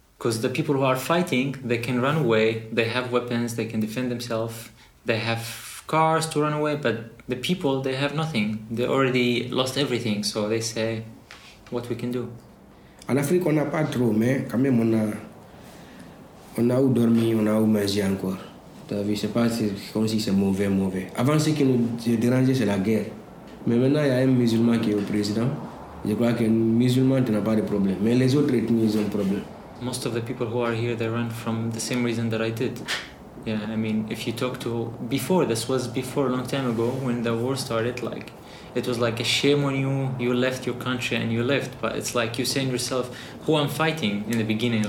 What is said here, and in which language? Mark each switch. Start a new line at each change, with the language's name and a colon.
English: Because the people who are fighting, they can run away, they have weapons, they can defend themselves, they have cars to run away, but the people, they have nothing. They already lost everything, so they say, what we can do? In Africa, we don't have too much, but we have to sleep, we have to eat
French: encore. Ta vie, c'est pas comme si c'est mauvais. Avant, ce qui nous dérangeait, c'est la guerre. Mais maintenant, il y a un musulman qui est au président. Je crois qu'un musulman, tu n'as pas de problème. Mais les autres ethnies, ils ont un problème.
English: Most of the people who are here, they run from the same reason that I did. Yeah, I mean, if you talk to... Before, this was before, a long time ago, when the war started, like, it was like a shame on you. You left your country and you left. But it's like you saying to yourself, who I'm fighting in the beginning?